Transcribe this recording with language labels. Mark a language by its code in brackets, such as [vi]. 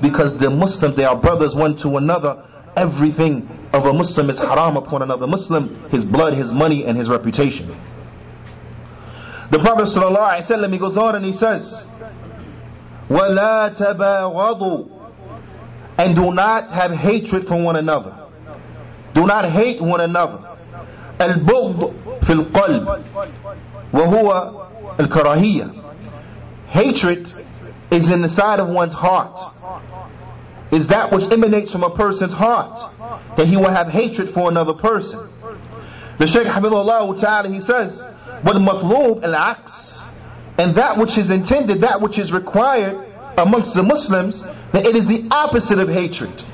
[en] Because the Muslims, they are brothers one to another. Everything of a Muslim is haram upon another Muslim, his blood, his money, and his reputation. The Prophet sallallahu alaihi wasallam, he goes on and he says, [ar] وَلَا تَبَاغَضُوا, [en] and do not have hatred for one another. Do not hate one another. [ar] البغض في القلب وهو الكراهية. [en] Hatred is in the side of one's heart. Is that which emanates from a person's heart, that he will have hatred for another person. The Shaykh Hafidhullah Ta'ala, he says, [ar] وَالْمَطْلُوبُ الْعَكْسِ, [en] and that which is intended, that which is required amongst the Muslims, that it is the opposite of hatred.